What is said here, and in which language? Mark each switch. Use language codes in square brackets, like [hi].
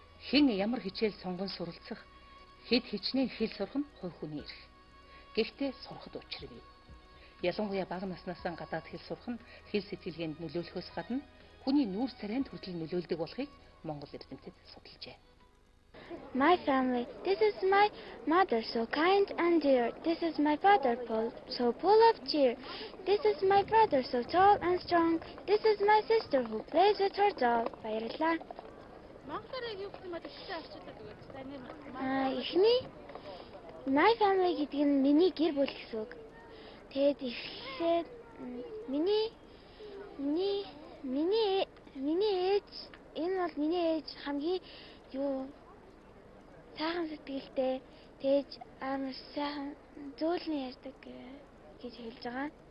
[mn] Хин ямар хичээл сонгон суралцах, хэд хичнээн хэл сурах нь хувь хүний эрх. Гэхдээ сурахд учир бий. Ялангуяа бага наснаасаа гадаад хэл сурах нь хэл сэтгэлгээнд нөлөөлөхөөс гадна хүний нүүр царайнд хүртэл нөлөөлдөг болохыг Монгол эрдэмтэд судалжээ. [en] My family. This is my mother, so kind and dear. This is my father, Paul, so full of cheer. This is my brother, so tall and strong. This is my sister, who plays with her doll. [mn] Баярлалаа. Эхний [en] my family [mn] гэдэг нь миний гэр бүл гэсэн үг. Тэгэд эхлээд миний ээж энэ бол миний ээж хамгийн юу сайхан сэтгэлтэй тэгж амар сайхан зөөлнө ярьдаг гэж хэлж байгаа.